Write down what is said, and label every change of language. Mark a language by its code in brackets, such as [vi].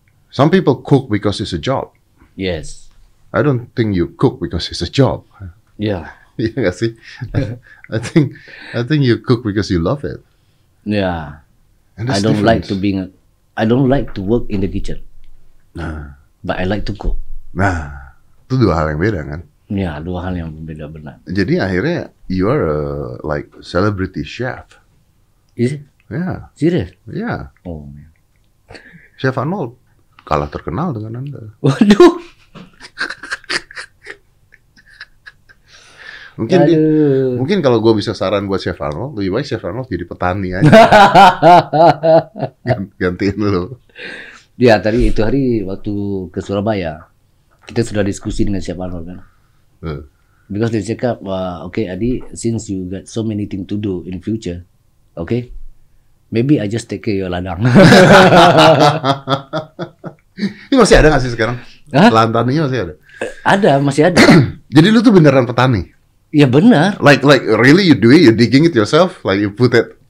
[en] Some people cook because it's a job. Yes. I don't think you cook because it's a job. Yeah. [id] Iya gak sih? [en] I think you cook because you love it. Yeah. I don't like to work in the kitchen. [id] Nah. [en] But I like to cook. [id] Nah. Itu dua hal yang beda kan? Iya, yeah, dua hal yang beda benar. Jadi akhirnya [en] you are a like celebrity chef. Is it? Yeah. Serious? Yeah. Oh man. [id] Chef Arnold kalah terkenal dengan Anda. Waduh. Mungkin dia, mungkin kalau gue bisa saran buat Chef Arnold, lebih baik Chef Arnold jadi petani aja. Gantiin lu. Ya, tadi itu hari waktu ke Surabaya, kita sudah diskusi dengan Chef Arnold kan. [en] Because [ms] dia cakap, [en] okay Adi, since you got so many things to do in future, okay, maybe I just take care your ladang. [id] Ini masih ada gak sih sekarang? Lahan taninya masih ada? Ada, masih ada. Jadi lu tuh beneran petani? Ya benar. [en] Like really you do it, you digging it yourself, like you put it.